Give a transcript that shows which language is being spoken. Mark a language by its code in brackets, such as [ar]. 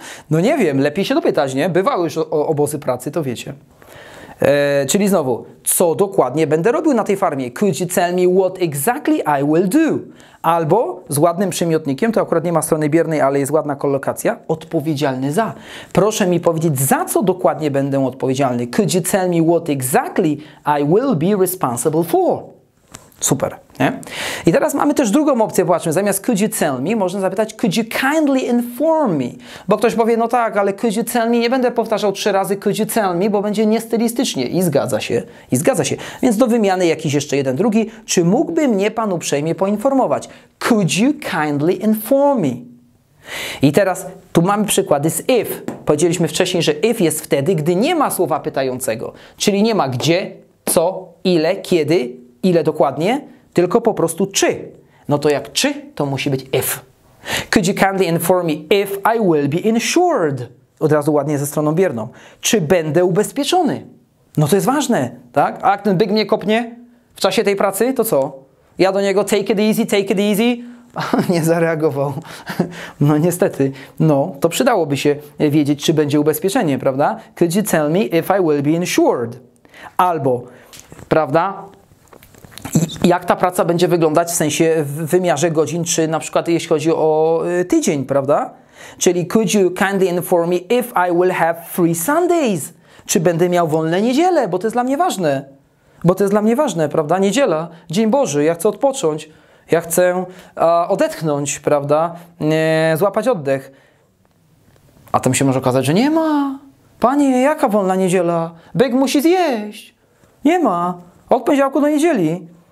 [pl] No nie wiem, lepiej się dopytać, nie? Bywały już obozy pracy, to wiecie. Czyli znowu, co dokładnie będę robił na tej farmie? [en] Could you tell me what exactly I will do? [pl] Albo z ładnym przymiotnikiem, to akurat nie ma strony biernej, ale jest ładna kolokacja, odpowiedzialny za. Proszę mi powiedzieć, za co dokładnie będę odpowiedzialny? [en] Could you tell me what exactly I will be responsible for? [pl] Super, nie? I teraz mamy też drugą opcję, patrzmy, zamiast could you tell me, można zapytać [en] could you kindly inform me? [pl] Bo ktoś powie, no tak, ale [en] could you tell me, [pl] nie będę powtarzał trzy razy could you tell me, bo będzie niestylistycznie. I zgadza się. Więc do wymiany jakiś jeszcze jeden, drugi. Czy mógłby mnie pan uprzejmie poinformować? [en] Could you kindly inform me? [pl] I teraz tu mamy przykłady z if. Powiedzieliśmy wcześniej, że if jest wtedy, gdy nie ma słowa pytającego. Czyli nie ma gdzie, co, ile, kiedy, ile dokładnie, tylko po prostu czy. No to jak czy, to musi być if. [en] Could you kindly inform me if I will be insured? [pl] Od razu ładnie ze stroną bierną. Czy będę ubezpieczony? No to jest ważne, tak? A jak ten byk mnie kopnie w czasie tej pracy, to co? Ja do niego [en] take it easy. [pl] Nie zareagował. No niestety. No, to przydałoby się wiedzieć, czy będzie ubezpieczenie, prawda? [en] Could you tell me if I will be insured? [pl] Albo, prawda? Jak ta praca będzie wyglądać w sensie w wymiarze godzin, czy na przykład jeśli chodzi o tydzień, prawda? Czyli [en] could you kindly inform me if I will have free Sundays? [pl] Czy będę miał wolne niedzielę? Bo to jest dla mnie ważne. Bo to jest dla mnie ważne, prawda? Niedziela, dzień Boży, ja chcę odpocząć. Ja chcę odetchnąć, prawda? Złapać oddech. A tam się może okazać, że nie ma. Panie, jaka wolna niedziela? Byk musi zjeść. Nie ma. Od poniedziałku do niedzieli.